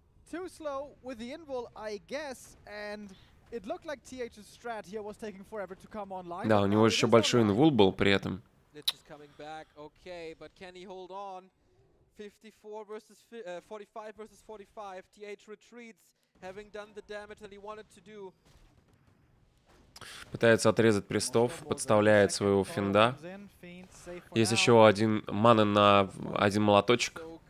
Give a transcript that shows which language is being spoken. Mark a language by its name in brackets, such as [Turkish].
[English] Too slow with the invul, I guess, and it looked like TH's strat here was taking forever to come online. [Russian] Да, у него еще большой инвул был при этом. [English] Lich is coming back, okay, but can he hold on? 45 versus 45. TH retreats, having done the damage that he wanted to do. [Russian] Пытается отрезать престов, подставляет своего финда. Есть еще один мана на один молоточек.